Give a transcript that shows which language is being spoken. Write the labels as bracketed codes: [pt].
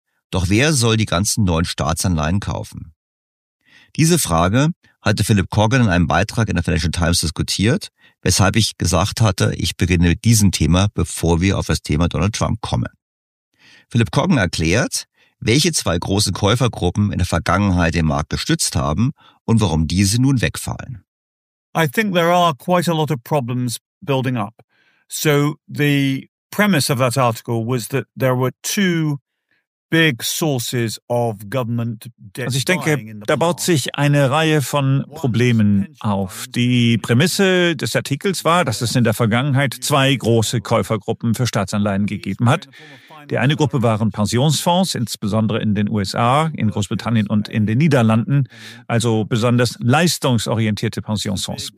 [de] Doch wer soll die ganzen neuen Staatsanleihen kaufen? Diese Frage hatte Philipp Korgan in einem Beitrag in der Financial Times diskutiert, weshalb ich gesagt hatte, ich beginne mit diesem Thema, bevor wir auf das Thema Donald Trump kommen. Philipp Korgan erklärt, welche zwei großen Käufergruppen in der Vergangenheit den Markt gestützt haben und warum diese nun wegfallen. [en] I think there are quite a lot of problems building up. So the premise of that article was that there were two big sources of government debt. [de] Also ich denke, da baut sich eine Reihe von Problemen auf. Die Prämisse des Artikels war, dass es in der Vergangenheit zwei große Käufergruppen für Staatsanleihen gegeben hat. Die eine Gruppe waren Pensionsfonds, insbesondere in den USA, in Großbritannien und in den Niederlanden, also besonders leistungsorientierte Pensionsfonds.